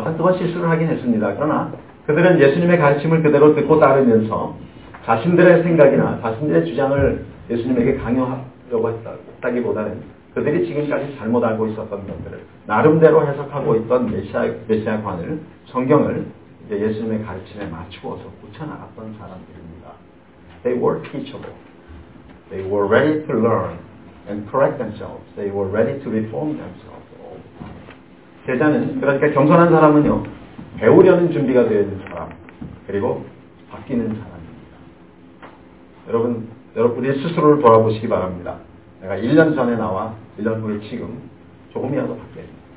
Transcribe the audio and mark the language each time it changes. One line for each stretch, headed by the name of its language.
Korean: 한두 번 실수를 하긴 했습니다. 그러나 그들은 예수님의 가르침을 그대로 듣고 따르면서 자신들의 생각이나 자신들의 주장을 예수님에게 강요하려고 했다기보다는 그들이 지금까지 잘못 알고 있었던 것들을 나름대로 해석하고 있던 메시아관을 성경을 이제 예수님의 가르침에 맞추어서 붙여나갔던 사람들입니다.
English: They were teachable. They were ready to learn and correct themselves. They were ready to reform themselves.
Korean: 제자는 그러니까 겸손한 사람은요. 배우려는 준비가 되어 있는 사람 그리고 바뀌는 사람입니다. 여러분이 스스로를 돌아보시기 바랍니다. 내가 1년 전에 나와 1년 후에 지금 조금이라도 바뀌어야 됩니다.